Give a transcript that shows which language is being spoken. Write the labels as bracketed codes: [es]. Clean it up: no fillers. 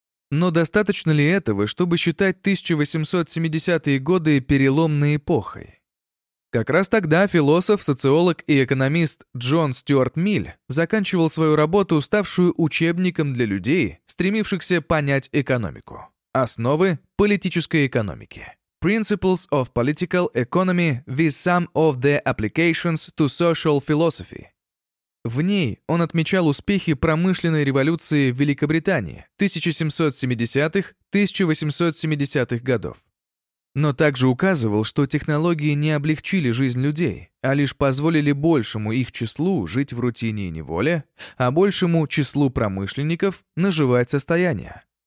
[ru] Но достаточно ли этого, чтобы считать 1870-е годы переломной эпохой? Как раз тогда философ, социолог и экономист Джон Стюарт Милль заканчивал свою работу, ставшую учебником для людей, стремившихся понять экономику. Основы политической экономики. [en] Principles of Political Economy with some of the applications to social philosophy. [ru] В ней он отмечал успехи промышленной революции в Великобритании 1770-1870-х годов. Но также указывал, что технологии не облегчили жизнь людей, а лишь позволили большему их числу жить в рутине и неволе, а большему числу промышленников наживать состояние.